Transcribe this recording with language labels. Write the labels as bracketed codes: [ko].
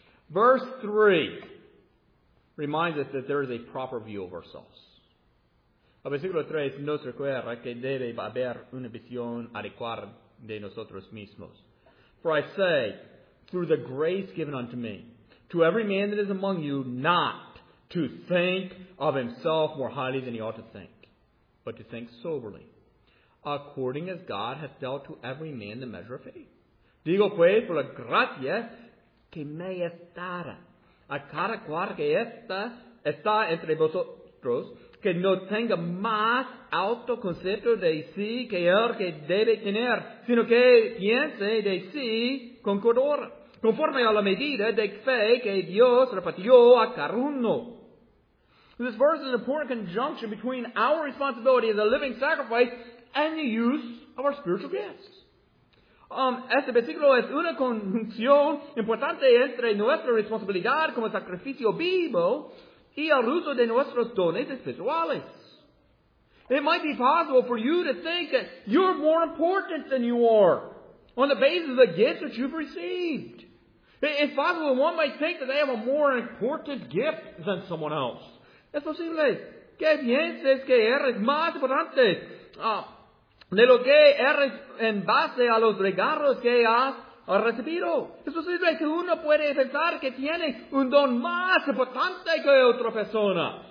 [en] Verse 3 reminds us that there is a proper view of ourselves. [es] El versículo 3 nos recuerda que debe haber una visión adecuada de nosotros mismos. [en] For I say, through the grace given unto me, to every man that is among you, not to think of himself more highly than he ought to think, but to think soberly, according as God hath dealt to every man the measure of faith. [es] Digo pues, por la gracia que me es dada, a cada cual que está entre vosotros, que no tenga más alto concepto de sí que el que debe tener, sino que piense de sí con cordura, conforme a la medida de fe que Dios repartió a cada uno. [en] This verse is an important conjunction between our responsibility as a living sacrifice and the use of our spiritual gifts. [es] Este versículo es una conjunción importante entre nuestra responsabilidad como sacrificio vivo y el uso de nuestros dones espirituales. [en] It might be possible for you to think that you're more important than you are on the basis of the gifts that you've received. It's possible that one might think that they have a more important gift than someone else. [es] Es posible que pienses que eres más importante de lo que eres en base a los regalos que has recibido. Es posible que uno puede pensar que tiene un don más importante que otra persona.